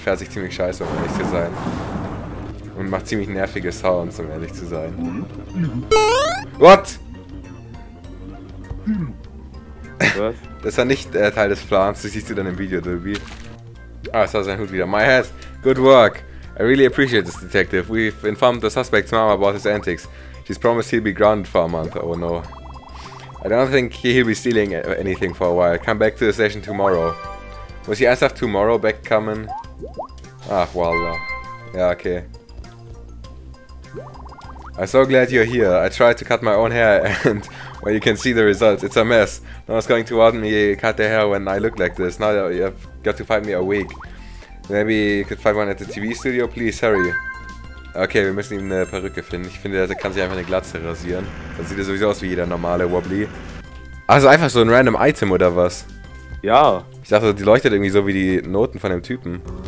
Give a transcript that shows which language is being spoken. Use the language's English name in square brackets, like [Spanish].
[German] Fährt sich ziemlich scheiße, um ehrlich zu sein. Und macht ziemlich nervige Sounds, um ehrlich zu sein. [English] What? [German] Was? Das war nicht Teil des Plans, das siehst du dann im Video, Dolby. Ah, es war sein Hut wieder. [English] My hat. Good work. I really appreciate this, Detective. We've informed the suspect's mom about his antics. She's promised he'll be grounded for a month. Oh no. I don't think he'll be stealing anything for a while. Come back to the station tomorrow. [German] Muss ich einfach tomorrow back kommen? [English] Ach, voila. Ja, okay. I'm so glad you're here. I tried to cut my own hair and, well, you can see the results. It's a mess. No one's going to want me to cut their hair when I look like this. Now you've got to find me a wig. Maybe you could find one at the TV studio, please. Hurry. [German] Okay, wir müssen ihm eine Perücke finden. Ich finde, der kann sich einfach eine Glatze rasieren. Dann sieht er sowieso aus wie jeder normale Wobbly. Also einfach so ein random Item oder was? Ja. Ich dachte, die leuchtet irgendwie so wie die Noten von dem Typen.